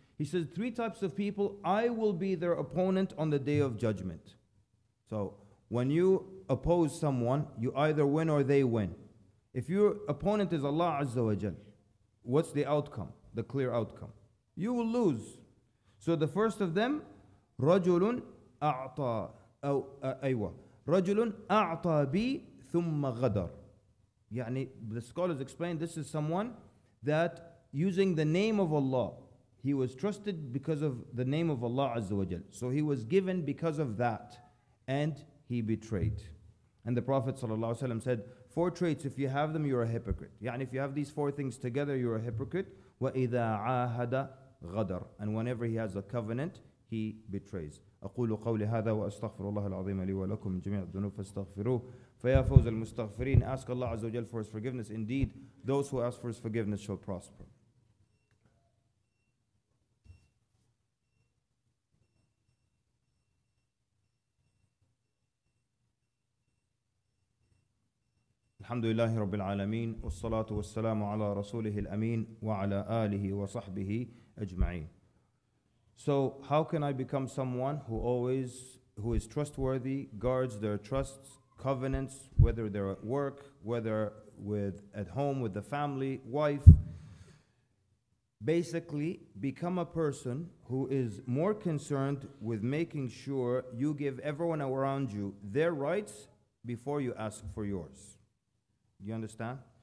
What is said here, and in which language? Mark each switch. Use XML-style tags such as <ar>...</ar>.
<en>He says, three types of people, I will be their opponent on the day of judgment. So when you oppose someone, you either win or they win. If your opponent is Allah azza wa jal, what's the outcome, the clear outcome? You will lose. So the first of them,</en> <ar>رَجُلٌ أَعْطَى أَيْوَى رَجُلٌ أَعْطَى بِي ثُمَّ غَدَرْ.</ar> <en>Yani, the scholars explain this is someone that using the name of Allah, he was trusted because of the name of Allah Azza wa Jal. So he was given because of that, and he betrayed. And the Prophet ﷺ said, four traits, if you have them, you're a hypocrite. Yani, if you have these four things together, you're a hypocrite.</en> <ar>وَإِذَا عَاهَدَ غَدَرَ.</ar> <en>And whenever he has a covenant, he betrays.</en> <ar>أَقُولُ قَوْلِ هَذَا وَأَسْتَغْفِرُ اللَّهَ الْعَظِيمَ لِي وَلَكُمْ جَمِيعَ الذُّنُوبِ فَاسْتَغْفِرُوهُ فَيَا فَوْزَ الْمُسْتَغْفِرِينَ.</ar> <en>Ask Allah Azza wa Jal for His forgiveness. Indeed, those who ask for His forgiveness shall prosper.</en> <ar>الحمد لله رب العالمين والصلاة والسلام على رسوله الأمين وعلى آله وصحبه أجمعين.</ar> <en>So how can I become someone who is trustworthy, guards their trusts, covenants, whether they're at work, whether with at home with the family, wife? Basically, become a person who is more concerned with making sure you give everyone around you their rights before you ask for yours. You understand?</en>